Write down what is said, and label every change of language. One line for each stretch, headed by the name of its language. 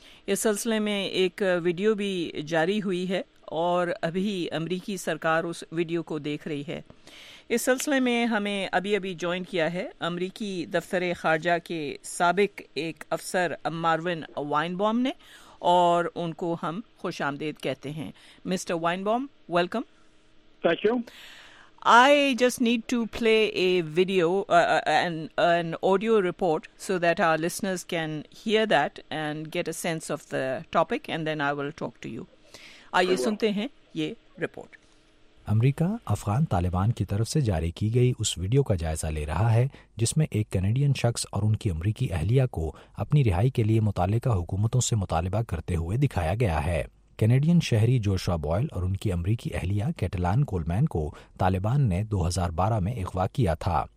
Urdu: اس سلسلے میں ایک ویڈیو بھی جاری ہوئی ہے, اور ابھی امریکی سرکار اس ویڈیو کو دیکھ رہی ہے. اس سلسلے میں ہمیں ابھی جوائن کیا ہے امریکی دفتر خارجہ کے سابق ایک افسر ماروین وائنبوم نے, اور ان کو ہم خوش آمدید کہتے ہیں. Mister وائنبوم, welcome. Thank you.
English: I just need to play a video, an audio report, so that our listeners can hear that and get a sense of the topic, and then I will talk to you.
Urdu: آئیے سنتے ہیں یہ report. امریکہ افغان طالبان کی طرف سے جاری کی گئی اس ویڈیو کا جائزہ لے رہا ہے جس میں ایک کینیڈین شخص اور ان کی امریکی اہلیہ کو اپنی رہائی کے لیے متعلقہ حکومتوں سے مطالبہ کرتے ہوئے دکھایا گیا ہے. کینیڈین شہری جوشوا بوائل اور ان کی امریکی اہلیہ کیٹلان کولمین کو طالبان نے 2012 میں اغوا کیا تھا.